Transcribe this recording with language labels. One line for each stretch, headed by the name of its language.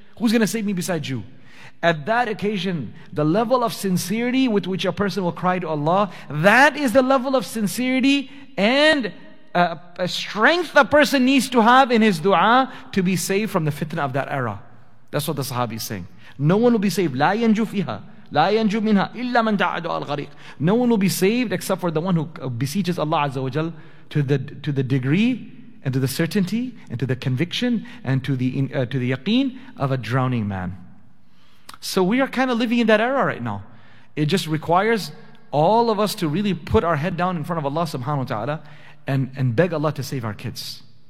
English: Who's going to save me besides you? At that occasion, the level of sincerity with which a person will cry to Allah, that is the level of sincerity and a strength a person needs to have in his dua to be saved from the fitna of that era. That's what the Sahabi is saying. No one will be saved.
Arabic: لا ينجو فيها لا ينجو منها إلا من دعا دعاء الغريق.
English: No one will be saved except for the one who beseeches Allah Azza wa Jal to the degree and to the certainty and to the conviction and to the yaqeen of a drowning man. So we are kind of living in that era right now. It just requires all of us to really put our head down in front of Allah subhanahu wa ta'ala and beg Allah to save our kids.